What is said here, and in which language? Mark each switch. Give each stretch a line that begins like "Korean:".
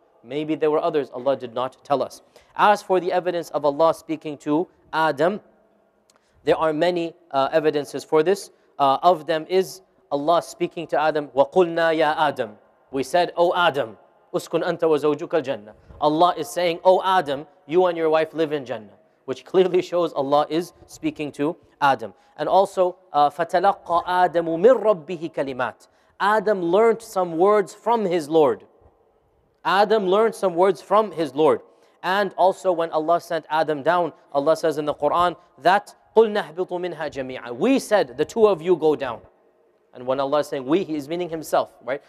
English: Maybe there were others Allah did not tell us. As for the evidence of Allah speaking to Adam, there are many evidences for this. Of them is Allah speaking to Adam,
Arabic: وَقُلْنَا يَا
English: Adam. We said, O Adam,
Arabic: أُسْكُنْ أَنْتَ وَزَوْجُكَ الْجَنَّةِ.
English: Allah is saying, O Adam, you and your wife live in Jannah. Which clearly shows Allah is speaking to Adam. And also,
Arabic: فَتَلَقَّ آدَمُ مِنْ رَبِّهِ كَلِمَاتٍ.
English: Adam learned some words from his Lord. Adam learned some words from his Lord. And also when Allah sent Adam down, Allah says in the Quran that
Arabic: قُلْنَا اهْبِطُوا مِنْهَا جَمِيعًا.
English: We said, the two of you go down. And when Allah is saying we, He is meaning Himself, right?